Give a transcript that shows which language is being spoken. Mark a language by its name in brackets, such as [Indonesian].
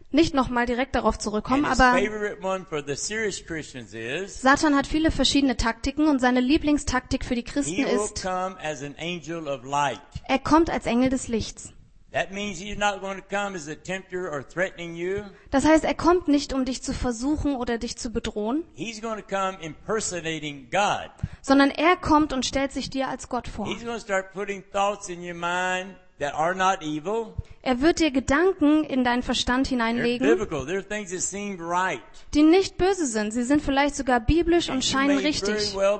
[German] Nicht nochmal direkt darauf zurückkommen, aber Satan hat viele verschiedene Taktiken und seine Lieblingstaktik für die Christen ist, er kommt als Engel des Lichts. Das heißt, er kommt nicht, um dich zu versuchen oder dich zu bedrohen, [English] he's going to come impersonating God. [German] Sondern er kommt und stellt sich dir als Gott vor. [English] He's going to start putting thoughts in your mind. That are not evil. [German] Er wird dir Gedanken in deinen Verstand hineinlegen, die nicht böse sind. Sie sind vielleicht sogar biblisch und scheinen richtig.